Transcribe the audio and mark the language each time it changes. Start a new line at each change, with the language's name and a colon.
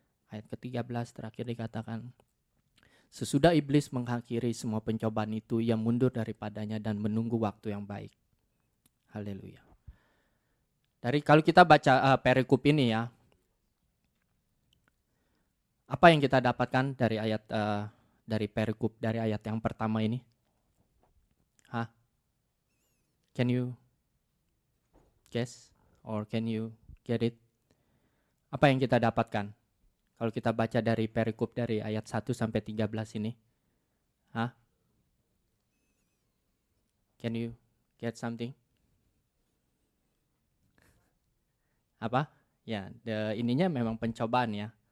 Indonesian: Ayat ke-13 terakhir dikatakan, sesudah iblis mengakhiri semua pencobaan itu, ia mundur daripadanya dan menunggu waktu yang baik. Haleluya. Dari kalau kita baca perikop ini ya, apa yang kita dapatkan dari ayat dari perikop dari ayat yang pertama ini? Hah?
English: Can you guess or can you get it?
Indonesian: Apa yang kita dapatkan? Kalau kita baca dari perikop dari ayat 1 sampai 13 ini. Hah?
English: Can you get something?
Indonesian: Apa? Ya, ininya memang pencobaan ya.